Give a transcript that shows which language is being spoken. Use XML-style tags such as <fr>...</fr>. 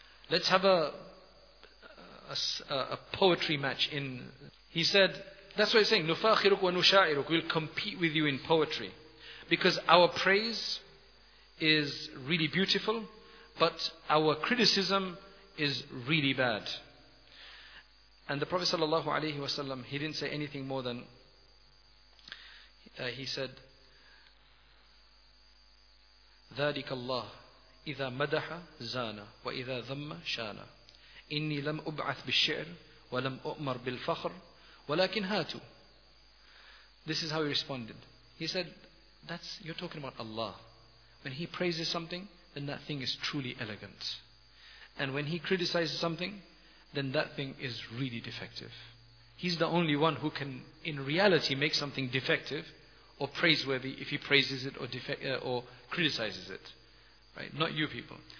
<en>Let's have a poetry match. He said, that's what he's saying.</en> <ar>Nufakhiruk wa nusha'iruk.</ar> <en>We'll compete with you in poetry. Because our praise is really beautiful, but our criticism is really bad.</en> <ar>And the Prophet sallallahu alaihi wasallam, he didn't say anything more than, he said, ذَلِكَ اللَّهُ إِذَا مَدَحَ زَانَ وَإِذَا ذَمَّ شَانَ إِنِّي لَمْ أُبْعَثْ بِالشِّعْرِ وَلَمْ أُؤْمَرْ بِالْفَخْرِ وَلَكِنْ هَاتُوا.</ar> <en>This is how he responded. He said, "That's you're talking about Allah. When he praises something, then that thing is truly elegant. And when he criticizes something, then that thing is really defective. He's the only one who can, in reality, make something defective or praiseworthy if he praises it or criticizes it. Right? Not you people."</en>